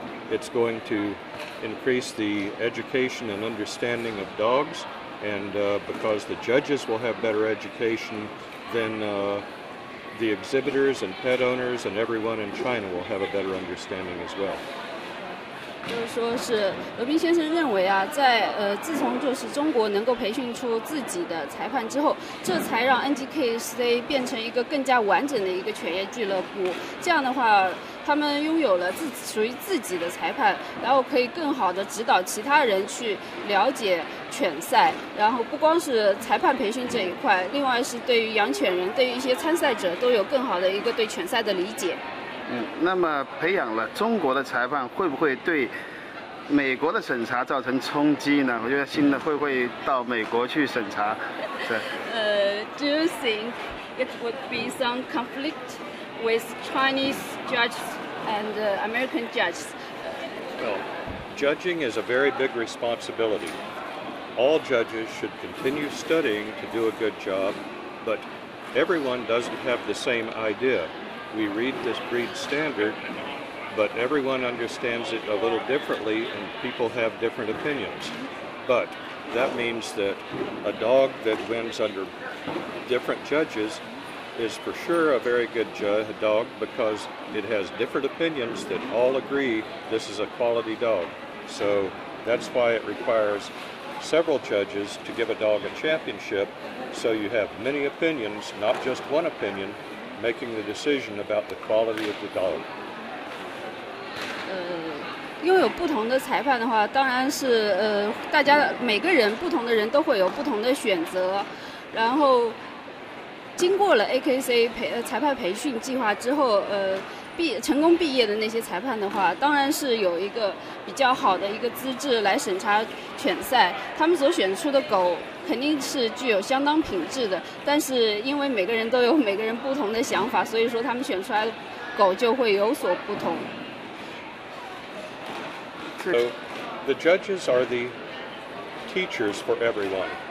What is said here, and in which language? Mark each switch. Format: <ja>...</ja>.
<en>It's going to increase the education and understanding of dogs, and because the judges will have better education, then the exhibitors and pet owners and everyone in China will have a better understanding as well.</en> <zh>就是说是罗宾先生认为啊，在自从就是中国能够培训出自己的裁判之后，这才让 NGKC 变成一个更加完整的一个犬业俱乐部。这样的话，他们拥有了属于自己的裁判，然后可以更好的指导其他人去了解犬赛。然后不光是裁判培训这一块，另外是对于养犬人、对于一些参赛者都有更好的一个对犬赛的理解。那么培养了中国的裁判，会不会对美国的审查造成冲击呢？我觉得新的会不会到美国去审查？是。</zh> <en>Do you think it would be some conflict? With Chinese judges and American judges? Well, judging is a very big responsibility. All judges should continue studying to do a good job, but everyone doesn't have the same idea. We read this breed standard, but everyone understands it a little differently and people have different opinions. But that means that a dog that wins under different judges is for sure a very good dog because it has different opinions that all agree this is a quality dog. So that's why it requires several judges to give a dog a championship, so you have many opinions, not just one opinion, making the decision about the quality of the dog.</en> <zh>拥有不同的裁判的话，当然是大家每个人不同的人都会有不同的选择。然后经过了 AKC 裁判培训计划之后，成功毕业的那些裁判的话，当然是有一个比较好的一个资质来审查犬赛。他们所选出的狗肯定是具有相当品质的，但是因为每个人都有每个人不同的想法，所以说他们选出来的狗就会有所不同。</zh> <en>So the judges are the teachers for everyone.</en>